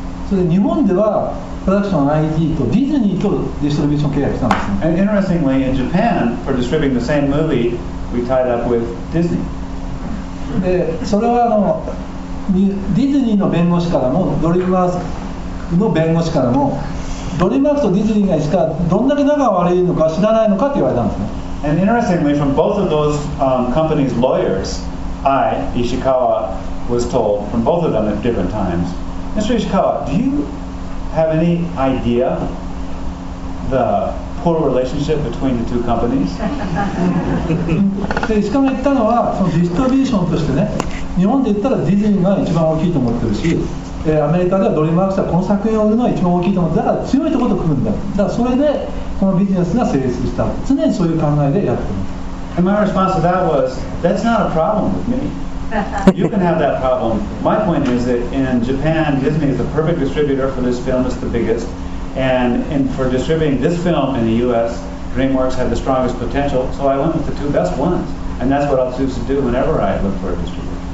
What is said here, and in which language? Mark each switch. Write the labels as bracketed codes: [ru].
[en] So, in Japan, we had a production ID with Disney for distribution contract. And interestingly, in Japan, for distributing the same movie, we tied up with Disney. So, that was Disney's lawyer, also DreamWorks' lawyer, also. [ja] ドリームワークスとディズニーがいつかどんだけ仲が悪いのか知らないのかって言われたんですね。 [en] And interestingly, from both of those companies' lawyers, I, Ishikawa, was told from both of them at different times, Mr. Ishikawa, do you have any idea the poor relationship between the two companies? [ja] で、しかも言ったのは、そのディストリビューションとしてね、日本で言ったらディズニーが一番大きいと思ってるし、アメリカではドリームワークスはこの作品を売るのが一番大きいと思う。だから強いところと組むんだ。だからそれでこのビジネスが成立した。常にそういう考えでやってます。 [en] And my response to that was, that's not a problem with me. You can have that problem. My point is that in Japan, Disney is the perfect distributor for this film. It's the biggest. And for distributing this film in the US, DreamWorks had the strongest potential. So I went with the two best ones. And that's what I'll choose to do whenever I look for a distributor.